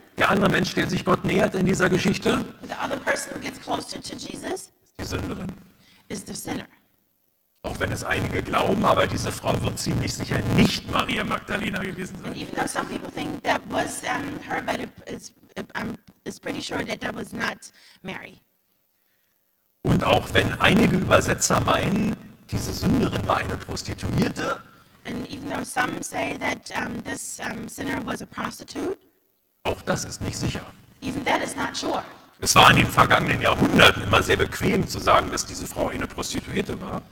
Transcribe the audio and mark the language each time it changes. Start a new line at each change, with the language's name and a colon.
German: der andere Mensch, der sich Gott nähert in dieser Geschichte,
English: the other person gets closer to Jesus,
German: ist die Sünderin.
English: Is the sinner.
German: Auch wenn es einige glauben, aber diese Frau wird ziemlich sicher nicht Maria Magdalena gewesen sein.
English: And even though some people think that was her, but it's pretty sure that was not Mary.
German: Und auch wenn einige Übersetzer meinen, diese Sünderin war eine Prostituierte,
English: and even though some say that this sinner was a prostitute,
German: auch das ist nicht sicher.
English: Even that is not sure.
German: Es war in den vergangenen Jahrhunderten immer sehr bequem zu sagen, dass diese Frau eine Prostituierte war.